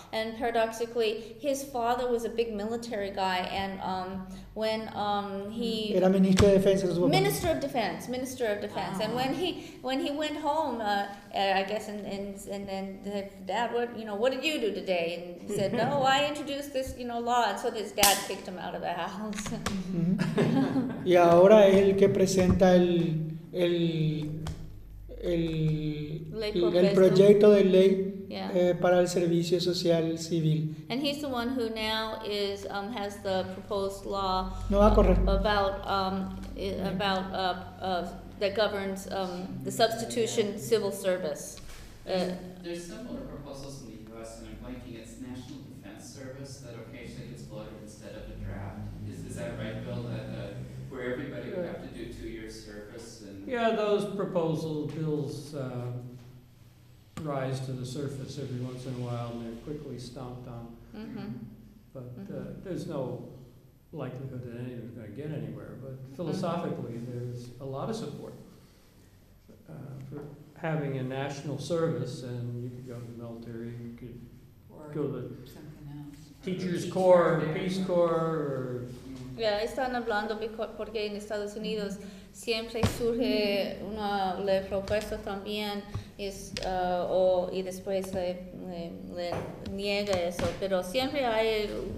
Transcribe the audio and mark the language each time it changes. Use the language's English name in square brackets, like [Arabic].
[English] And paradoxically, his father was a big military guy, and minister of defense. And when he went home, and then the dad, what did you do today? And he said, no, I introduced this, law. And so his dad kicked him out of the house. [Spanish] Y ahora es el que presenta el proyecto de ley. [English] Yeah. [Spanish] Para el servicio social civil. [English] And he's the one who now is has the proposed law that governs the substitution civil service. There's similar proposals in the U.S. and I'm blanking. It's National Defense Service that occasionally gets voted instead of a draft. Is that right, Bill? Where everybody would have to do 2 years service and. Yeah, those proposal bills. Rise to the surface every once in a while, and they're quickly stomped on. Mm-hmm. But there's no likelihood that anyone's going to get anywhere. But philosophically, mm-hmm. there's a lot of support for having a national service, and you could go to the military, you could go to the Teachers Corps, or Peace Corps, or. [Spanish] Yeah, están hablando porque en Estados Unidos siempre surge una le propuesta también y después le niega eso, pero siempre hay